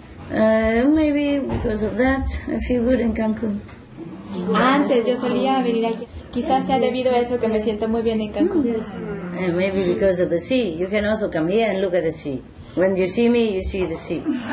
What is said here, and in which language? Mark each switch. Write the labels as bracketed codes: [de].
[en] Maybe because of that, I feel good in Cancun. [es] Antes yo solía venir aquí. Quizás sea debido a eso que me siento muy bien en Cancun. [en] And maybe because of the sea. You can also come here and look at the sea. When you see me, you see the sea.